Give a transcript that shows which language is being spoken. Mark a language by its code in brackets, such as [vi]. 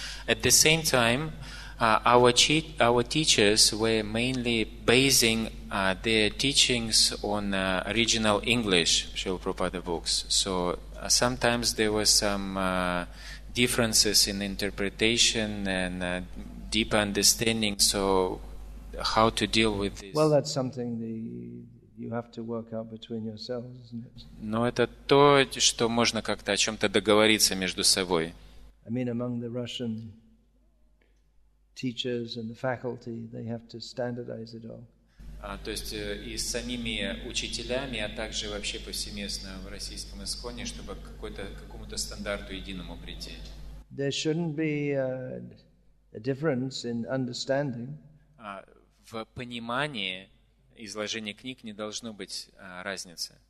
[en] At the same time, our teachers were mainly basing their teachings on original English Srila Prabhupada books. So sometimes there were some differences in interpretation and deep understanding. So how to deal with this? Well, that's something you have to work out between yourselves, isn't it? [ru] Но это то, что можно как-то о чем-то договориться между собой. [en] I mean, among the Russian teachers and the faculty, they have to standardize it all. [ru] То есть и с самими учителями, а также вообще повсеместно в российском исконе, чтобы к какому-то стандарту единому прийти. [en] There shouldn't be a difference in understanding. [ru] В понимании изложения книг не должно быть разницы.